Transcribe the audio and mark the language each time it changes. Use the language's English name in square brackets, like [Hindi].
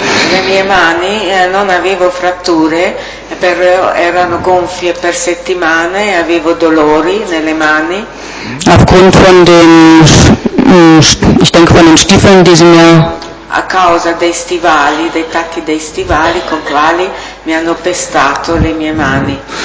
[Italian] Le mie mani non avevo fratture, però erano gonfie per settimane, avevo dolori nelle mani. [German] Aufgrund von den, ich denke von den Stiefeln, die sie mir... [Italian] A causa dei stivali, dei tacchi dei stivali con quali mi hanno pestato le mie mani.